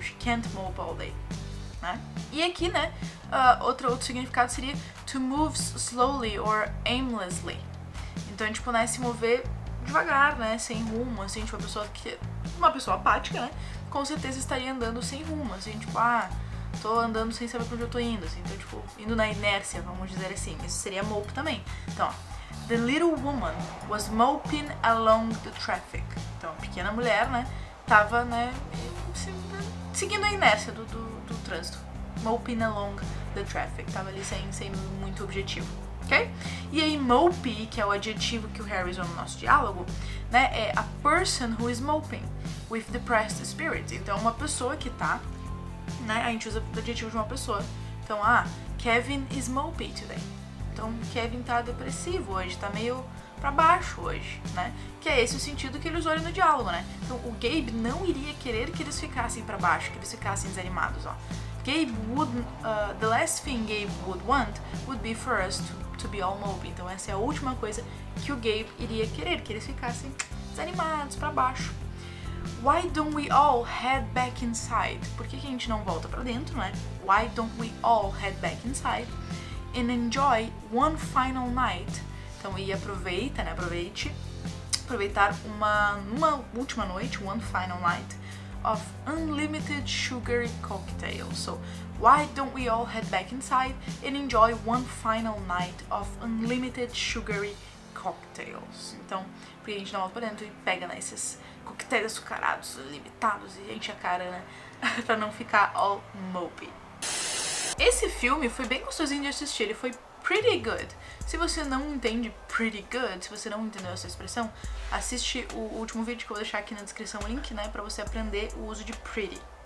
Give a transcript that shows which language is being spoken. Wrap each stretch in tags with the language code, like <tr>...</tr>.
<en>She can't mope all day.</en> <pt>Né? E aqui, né, outro significado seria</pt> <en>to move slowly or aimlessly.</en> <pt>Então, tipo, né, se mover devagar, né, sem rumo, assim, tipo, uma pessoa apática, né, com certeza estaria andando sem rumo, assim, tipo, ah, tô andando sem saber pra onde eu tô indo, assim, então, tipo, indo na inércia, vamos dizer assim. Isso seria mope também.</pt> <en>Então, ó, the little woman was moping along the traffic.</en> <pt>Então, a pequena mulher, né, tava, né, seguindo a inércia do trânsito,</pt> <en>moping along the traffic,</en> <pt>tava ali sem muito objetivo, ok? E aí, mopey, que é o adjetivo que o Harry usou no nosso diálogo, né, é</pt> <en>a person who is moping with depressed spirits.</en> <pt>Então, uma pessoa que tá, né, a gente usa o adjetivo de uma pessoa. Então, ah,</pt> <en>Kevin is mopey today.</en> <pt>Então, Kevin tá depressivo hoje, tá meio pra baixo hoje, né? Que é esse o sentido que eles olham no diálogo, né? Então, o Gabe não iria querer que eles ficassem pra baixo, que eles ficassem desanimados, ó.</pt> <en>Gabe would, the last thing Gabe would want would be for us to be all mopey.</en> <pt>Então, essa é a última coisa que o Gabe iria querer, que eles ficassem desanimados, pra baixo.</pt> <en>Why don't we all head back inside?</en> <pt>Por que que a gente não volta pra dentro, né?</pt> <en>Why don't we all head back inside and enjoy one final night?</en> <pt>Então, e aproveita, né? Aproveitar uma última noite,</pt> <en>one final night, of unlimited sugary cocktails. So, why don't we all head back inside and enjoy one final night of unlimited sugary cocktails?</en> <pt>Então, porque a gente não volta pra dentro e pega, né, esses coquetéis açucarados, limitados, e enche a cara, né? Pra não ficar all mopey. Esse filme foi bem gostosinho de assistir, ele foi pretty good. Se você não entende pretty good, se você não entendeu essa expressão, assiste o último vídeo que eu vou deixar aqui na descrição o link, né, pra você aprender o uso de pretty.</pt>